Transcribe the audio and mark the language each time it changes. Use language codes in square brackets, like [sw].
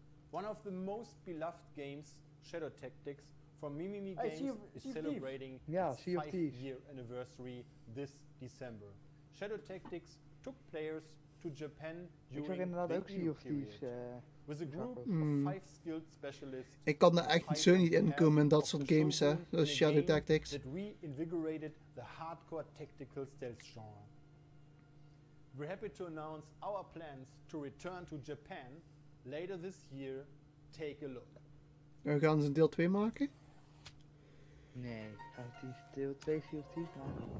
[en] One of the most beloved games, Shadow Tactics, from Mimimi Games is celebrating its 5-year anniversary this December. Shadow Tactics took players to Japan during the Edo period. With a group of 5 skilled specialists. [nl] Ik kan er echt zo niet in komen in dat soort games, hè, zoals Shadow Tactics. [en] That reinvigorated the hardcore tactical stealth genre. We're happy to announce our plans to return to Japan later this year. Take a look. [nl] We gaan ze een deel 2 maken? Nee, gaat die deel 2 Sea of Thieves maken?